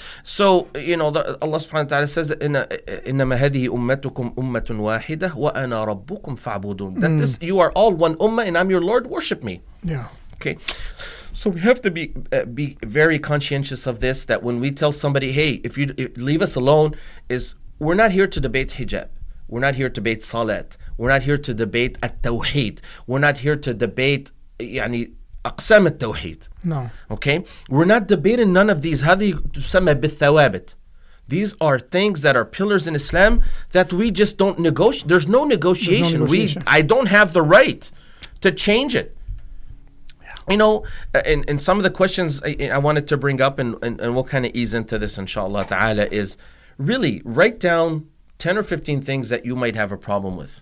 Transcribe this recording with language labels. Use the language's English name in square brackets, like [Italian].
[English] So, you know, Allah subhanahu wa ta'ala says, [Arabic] إِنَّمَا هَذِهِ أُمَّتُكُمْ أُمَّةٌ وَاحِدَةٌ وَأَنَا رَبُّكُمْ فَعْبُدُونَ. [English] That this, you are all one ummah and I'm your Lord, worship me. Yeah. Okay. So we have to be very conscientious of this, that when we tell somebody, hey, if you leave us alone, is we're not here to debate hijab. We're not here to debate salat. We're not here to debate at-tawheed. We're not here to debate [Arabic] يعني أقسام التوحيد. [English] No. Okay. We're not debating none of these. [Arabic] هذه تسمى بالثوابت. [English] These are things that are pillars in Islam that we just don't negotiate. There's no negotiation. I don't have the right to change it. Yeah. You know, and some of the questions I wanted to bring up, and we'll kind of ease into this, inshallah ta'ala, is really write down 10 or 15 things that you might have a problem with.